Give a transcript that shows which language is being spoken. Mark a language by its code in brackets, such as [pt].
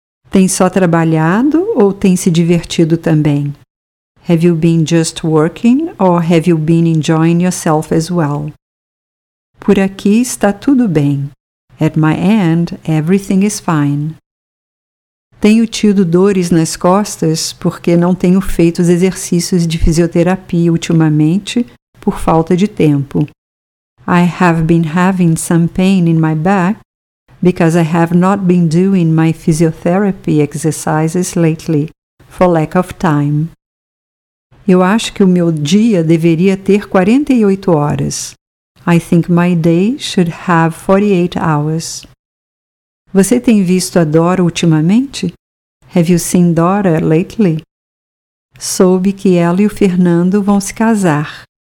[pt] Tem só trabalhado ou tem se divertido também? [en] Have you been just working or have you been enjoying yourself as well? [pt] Por aqui está tudo bem. [en] At my end, everything is fine. [pt] Tenho tido dores nas costas porque não tenho feito os exercícios de fisioterapia ultimamente por falta de tempo. [en] I have been having some pain in my back because I have not been doing my physiotherapy exercises lately for lack of time. [pt] Eu acho que o meu dia deveria ter 48 horas. [en] I think my day should have 48 hours. [pt] Você tem visto a Dora ultimamente? [en] Have you seen Dora lately? [pt] Soube que ela e o Fernando vão se casar.